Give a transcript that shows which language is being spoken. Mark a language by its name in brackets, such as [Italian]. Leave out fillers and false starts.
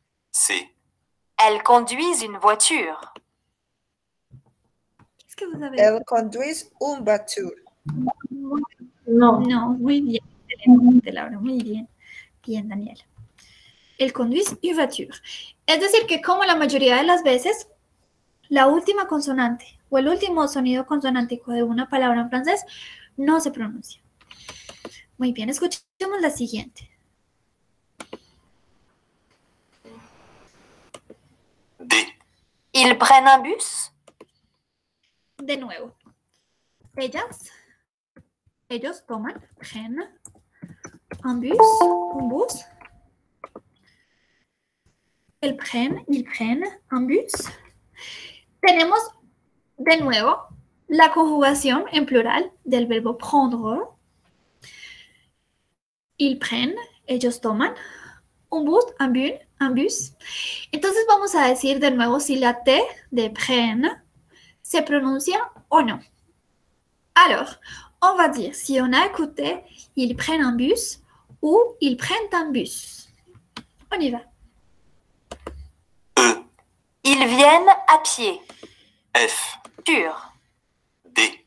[Spanish] Si. [French] Elles conduisent une voiture. Que vous avez... Elle conduit une voiture. Non. [Spanish] Muy bien. Excelente, Laura. Muy bien. Bien, Daniel. [French] Elle conduit une voiture. [Spanish] Es decir, que como la mayoría de las veces, la última consonante o el último sonido consonántico de una palabra en francés no se pronuncia. Muy bien. Escuchemos la siguiente. De. [French] Ils prennent un bus. [Spanish] De nuevo, ellos toman, [French] prennent un bus, ils prennent un bus. [Spanish] Tenemos de nuevo la conjugación en plural del verbo prendre. [French] Ils prennent, [Spanish] ellos toman, [French] un bus. [Spanish] Entonces vamos a decir de nuevo si la T de prennent se pronuncia o no. [French] Alors, on va dire si on a écouté, ils prennent un bus ou ils prennent un bus. On y va. E. Ils viennent à pied. F. Sur. D.